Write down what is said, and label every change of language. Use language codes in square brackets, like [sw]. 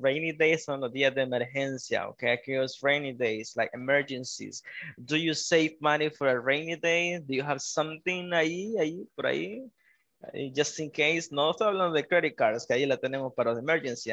[es] Rainy days son los días de emergencia, okay? Aquellos [en] rainy days, like emergencies. Do you save money for a rainy day? Do you have something [es] ahí, por ahí? [en] Just in case, [es] no estoy hablando de credit cards, que ahí la tenemos para la emergency.